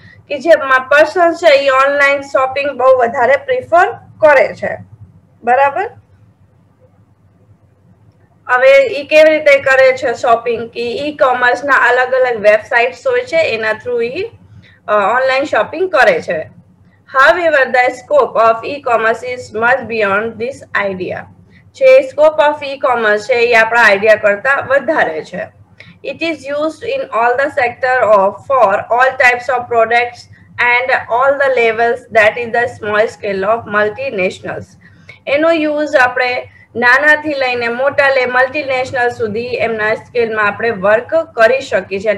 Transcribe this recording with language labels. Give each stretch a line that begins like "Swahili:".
Gujarati: કે જે પર્સન છે એ ઓનલાઈન શોપિંગ બહુ વધારે પ્રિફર કરે છે, બરાબર. હવે એ કેવી રીતે કરે છે શોપિંગ, કે ઈ-કોમર્સના અલગ અલગ વેબસાઇટ્સ હોય છે એના થ્રુ એ ઓનલાઈન શોપિંગ કરે છે.
English: However, the scope of e-commerce is much beyond this idea.
Gujarati: જે
English: scope of e-commerce
Gujarati: છે એ આપણા આઈડિયા કરતા વધારે છે.
English: It is used in all the sector of for all types of products and all the levels that is the small scale of multinationals.
Gujarati: એનો use આપણે નાનાથી લઈને મોટા લે મલ્ટીનેશનલ સુધી એમના સ્કેલમાં આપણે વર્ક કરી શકીએ છીએ.